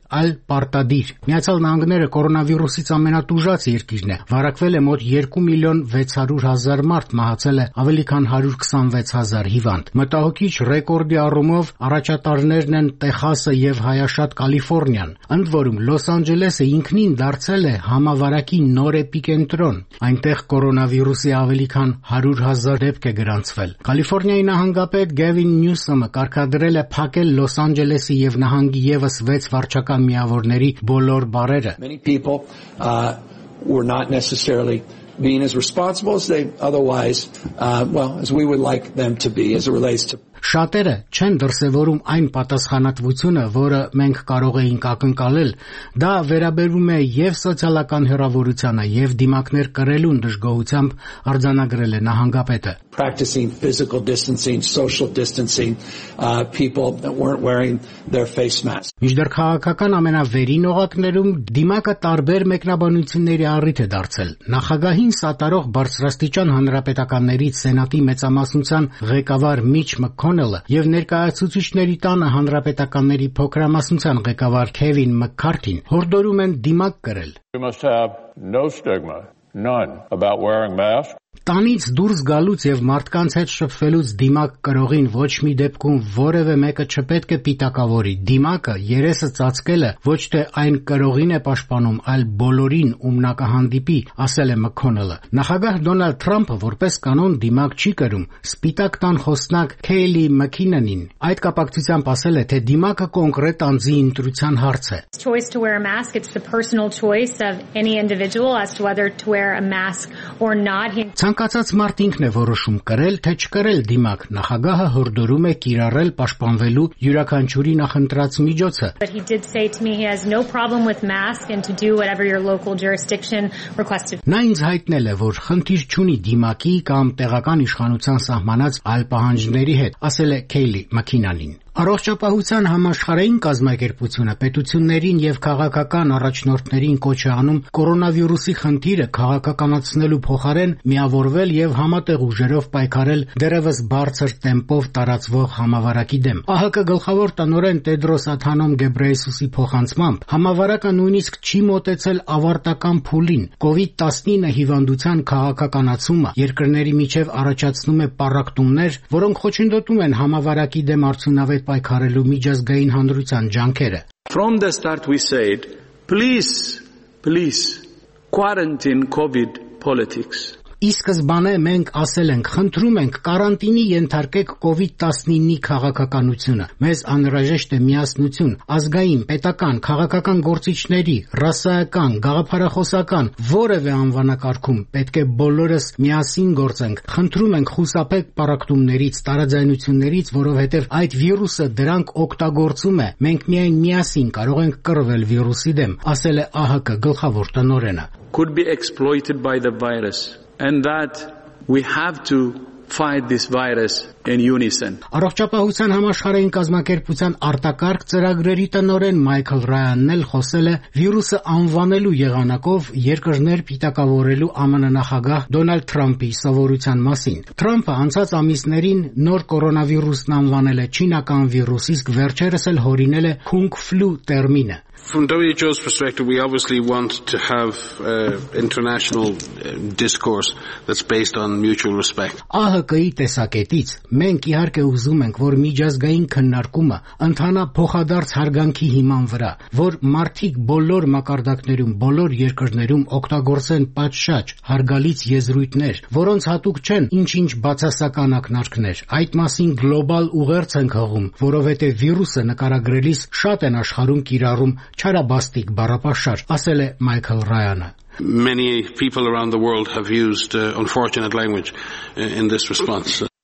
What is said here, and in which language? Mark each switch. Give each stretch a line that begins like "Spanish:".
Armenian: այլ պարտադիր։ Միացյալ Նահանգները կորոնավիրուսից ամենատուժած երկիրն է, վարակվել է մոտ 2,600,000 մարդ, մահացել է ավելի քան 126,000 հիվանդ։ Մտահոգիչ ռեկորդի առումով առաջատարներ են Տեխասը և հայաշատ Կալիֆոռնիան։ Ընդ որում, Լոս Անջելեսը ինքնին դարձել է համավարակի նոր էպիկենտրոն, այնտեղ կորոնավիրուսի ավելի քան 100,000 դեպք է գրանցվել։ Կալիֆոռնիայի նահանգապետ Գևին Նյուսոմը կարգադրել է փակել Լոս Անջելեսի և նահանգի ևս 6 վարչական միավորների բոլոր բարերը։
English: Many people were not necessarily being as responsible as they otherwise, well, as we would like them to be as it relates to.
Armenian: Շատերը չեն դրսևորում այն պատասխանատվությունը, որը մենք կարող էինք ակնկալել, դա վերաբերում է և սոցիալական հեռավորությանը, և դիմակներ կրելուն դժգոհությամբ, արձանագրել է նահանգապետը.
English: Practicing physical distancing, social distancing, people that weren't wearing their face masks.
Armenian: Միջդեռ քաղաքական ամենավերին օղակներում դիմակը տարբեր մեկնաբանությունների առիթ է դարձել։ Նախագահին սատարող բարձրաստիճան հանրապետականների սենատի մեծամասնության ղեկավար Միչ Մաքոնելը և ներկայացուցիչների տանը հանրապետականների փոքրամասնության ղեկավար Քևին Մաքքարթին հորդորում են դիմակ կրել։
English: We must have no stigma, none, about wearing masks.
Armenian: Տանից դուրս գալուց և մարդկանց հետ շփվելուց դիմակ կրողին ոչ մի դեպքում որևէ մեկը չպետք է պիտակավորի։ Դիմակը, երեսը ծածկելը, ոչ թե այն կրողին է պաշտպանում, այլ բոլորին, ում նա կհանդիպի, ասել է Մաքոնելը։ Նախագահ Դոնալդ Թրամփը որպես կանոն դիմակ չի կրում, սպիտակ տան խոսնակ Քեյլի Մաքինենին։ Այդ կապակցությամբ ասել է, թե դիմակը կոնկրետ անձի ընտրության հարց է։
English: It's choice to wear a mask, it's the personal choice of any individual as to whether to wear a mask or not.
Armenian: Ցանկացած մարդ ինքն է որոշում կրել թե չկրել դիմակ։ Նախագահը հորդորում է կիրառել պաշտպանվելու յուրաքանչյուրի նախընտրած միջոցը։
English: But he did say to me he has no problem with masks and to do whatever your local jurisdiction requested.
Armenian: Նա ինձ հայտնել է, որ խնդիր չունի դիմակի կամ տեղական իշխանության սահմանած այլ պահանջների հետ, ասել է Քեյլի Մաքինանին։ Առողջապահության համաշխարհային կազմակերպությունը պետություններին և քաղաքական առաջնորդներին կոչ է անում կորոնավիրուսի խնդիրը քաղաքականացնելու փոխարեն միավորվել և համատեղ ուժերով պայքարել դեռևս բարձր տեմպով տարածվող համավարակի դեմ։ ԱՀԿ գլխավոր տնօրեն Տեդրոս Աթանոմ Գեբրեյեսուսի փոխանցմամբ համավարակը նույնիսկ չի մոտեցել ավարտական փուլին։ COVID-19 հիվանդության քաղաքականացումը երկրների միջև առաջացնում է պառակտումներ, որոնք խոչընդոտում են համավարակի դեմ արցունավետ պայքարելու միջազգային հանրության ջանքերը։
English: From the start we said, please, please, quarantine COVID politics.
Armenian: Իսկ սկզբանե մենք ասել ենք, խնդրում ենք կարանտինի ենթարկեք COVID-19-ի քաղաքականությունը։ Մեզ անհրաժեշտ է միասնություն ազգային, պետական, քաղաքական գործիչների, ռասայական, գաղափարախոսական, որևէ անվանակարգում պետք է բոլորս միասին գործենք։ Խնդրում ենք խուսափեք պարակտումներից, տարաձայնություններից, որովհետև այդ վիրուսը դրանք օգտագործում է։ Մենք միայն միասին կարող ենք կռվել վիրուսի դեմ, ասել է ԱՀԿ գլխավոր տնօրենը։
English: Could be exploited by the virus. And that we have to fight this virus in unison.
Armenian: Առողջապահության համաշխարհային կազմակերպության արտակարգ ծրագրերի տնօրեն Մայքլ Ռայանն էլ խոսել է վիրուսը անվանելու եղանակով երկրներ պիտակավորելու ԱՄՆ նախագահ Դոնալդ Թրամփի սովորության մասին։ Թրամփը անցած ամիսներին նոր կորոնավիրուսն անվանել է չինական վիրուս, իսկ վերջերս էլ հորինել է Kung Flu տերմինը։
English: From WHO's perspective, we obviously want to have international discourse that's based on mutual respect.
Armenian: ԱՀԿ-ի տեսակետից մենք իհարկե ուզում ենք, որ միջազգային քննարկումը ընդհանա փոխադարձ հարգանքի հիման վրա, որ մարդիկ բոլոր մակարդակներում, բոլոր երկրներում օգտագործեն պատշաճ, հարգալից եզրույթներ, որոնց հատուկ չեն ինչ-ինչ բացասական ակնարկներ։ Այդ մասին գլոբալ ուղերձ ենք հղում, որովհետև վիրուսը նկարագրելիս շատ են աշխարհում կիրառում չարաբաստիկ բառապաշար, ասել է Մայքլ Ռայանը։
English: Many people around the world have used unfortunate language in this response.